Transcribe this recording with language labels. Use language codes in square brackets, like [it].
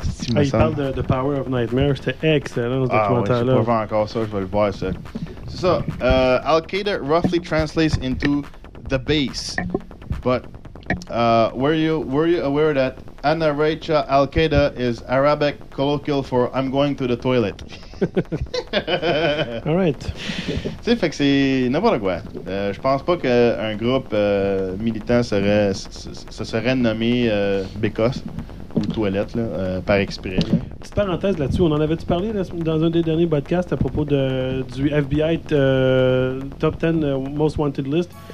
[fr] Il parle de Power of Nightmare, c'était excellent ce documentaire-là. Ah oui, je ne peux pas voir encore ça, je vais le voir ça. C'est ça, [en] Al-Qaeda roughly translates into the base, but were you aware that Anna Raicha Al-Qaeda is Arabic colloquial for I'm going to the toilet? All right. [fr] Tu sais, fait que c'est n'importe quoi. Je pense pas qu'un groupe militant serait nommé Bécosse. toilettes, là, par exprès. Là. Petite parenthèse là-dessus, on en avait-tu parlé dans un des derniers podcasts à propos du FBI Top 10 Most Wanted List?